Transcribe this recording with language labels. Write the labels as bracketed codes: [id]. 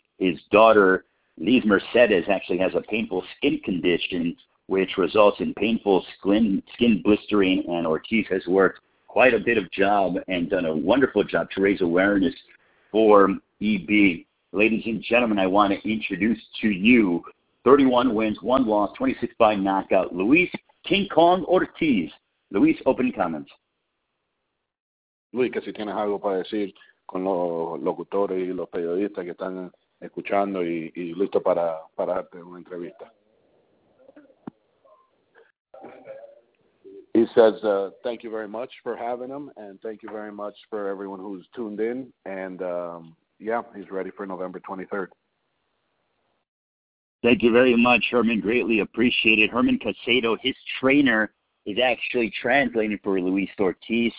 [en] His daughter, Liz Mercedes, actually has a painful skin condition, which results in painful skin blistering, and Ortiz has worked quite a bit of job and done a wonderful job to raise awareness for EB. Ladies and gentlemen, I want to introduce to you 31 wins, 1 loss, 26 by knockout, Luis King Kong Ortiz. Luis, opening comments. [es] Luis, que si tienes algo para decir con los locutores y los periodistas que están escuchando y listo para darte una entrevista. [en] He says, thank you very much for having him, and thank you very much for everyone who's tuned in. And, he's ready for November 23rd. Thank you very much, Herman. Greatly appreciated. Herman Casado, his trainer, is actually translating for Luis Ortiz.